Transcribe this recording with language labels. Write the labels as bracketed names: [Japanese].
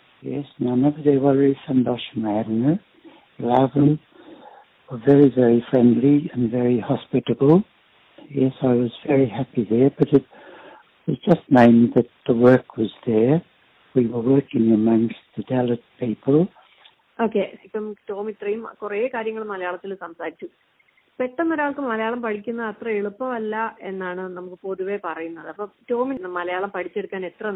[Malayalam] Yes, ഞങ്ങൾക്ക് വളരെ സന്തോഷമായിരുന്നു. [English] എല്ലാവരും very, very friendly and very hospitable. Yes, I was very happy there, but it was just mainly that the work was there. We were working amongst the Dalit people. [Malayalam] Okay ഇപ്പം Tom ഇത്രയും കുറേ കാര്യങ്ങൾ മലയാളത്തിൽ സംസാരിച്ചു. പെട്ടെന്ന് ഒരാൾക്ക് മലയാളം പഠിക്കുന്നത് അത്ര എളുപ്പമല്ല എന്നാണ് നമുക്ക് പൊതുവെ പറയുന്നത്. അപ്പൊ ടോമിന് മലയാളം പഠിച്ചെടുക്കാൻ എത്ര